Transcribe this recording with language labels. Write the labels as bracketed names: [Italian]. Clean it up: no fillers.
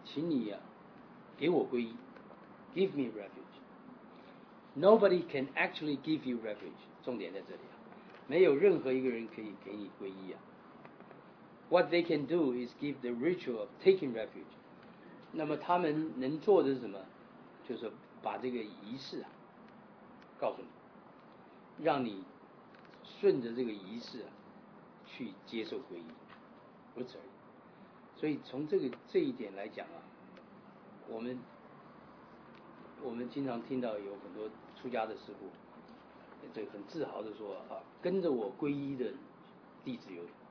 [Chinese] 啊，这里请注意，这个很重要的一个观点啊，重复前面曾经谈过。有的时候啊，这个我们会跟我们的上司讲说，请你啊，给我皈依 ， [English] give me refuge. Nobody can actually give you refuge. [Chinese] 重点在这里啊，没有任何一个人可以给你皈依啊。 [English] What they can do is give the ritual of taking refuge. [Chinese] 那么他们能做的是什么？就是把这个仪式啊，告诉你，让你顺着这个仪式啊去接受皈依，如此而已。所以从这个这一点来讲啊，我们经常听到有很多出家的师父，这很自豪的说啊，跟着我皈依的弟子有。